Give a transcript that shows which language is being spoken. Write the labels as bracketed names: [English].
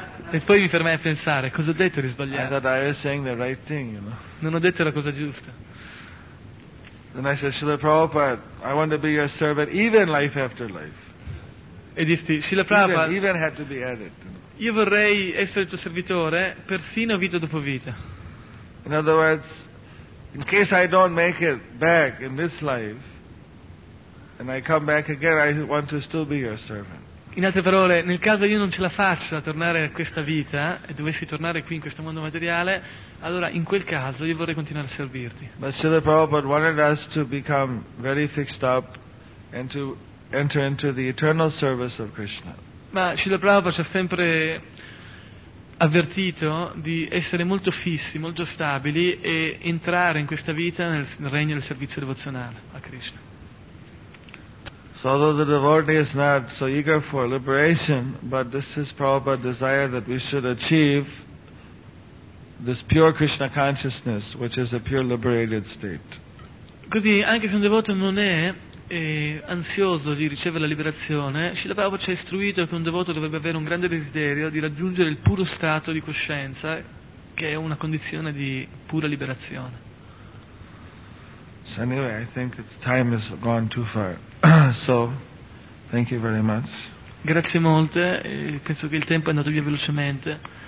[Italian] E poi mi fermai a pensare, cosa ho detto di sbagliato? [English] I thought I was saying the right thing, you know. [Italian] Non ho detto la cosa giusta. [English] Then I said, "Srila Prabhupada, I want to be your servant even life after life." [Italian] E dissi, Srila Prabhupada, [English] even had to be added. You know. [Italian] Io vorrei essere il tuo servitore persino vita dopo vita. [English] In other words, in case I don't make it back in this life and I come back again, I want to still be your servant. [Italian] In altre parole, nel caso io non ce la faccia a tornare a questa vita e dovessi tornare qui in questo mondo materiale, allora in quel caso io vorrei continuare a servirti. [English] But Srila Prabhupada wanted us to become very fixed up and to enter into the eternal service of Krishna. [Italian] Ma Srila Prabhupada ci ha sempre avvertito di essere molto fissi, molto stabili e entrare in questa vita nel regno del servizio devozionale a Krishna. [English] So although the devotee is not so eager for liberation, but this is Prabhupada's desire that we should achieve this pure Krishna consciousness, which is a pure liberated state. [Italian] Così, anche se un devoto non è e ansioso di ricevere la liberazione, Srila Prabhupada ci ha istruito che un devoto dovrebbe avere un grande desiderio di raggiungere il puro stato di coscienza, che è una condizione di pura liberazione. [English] So anyway, I think it's time has gone too far. So, thank you very much. [Italian] Grazie molte, penso che il tempo è andato via velocemente.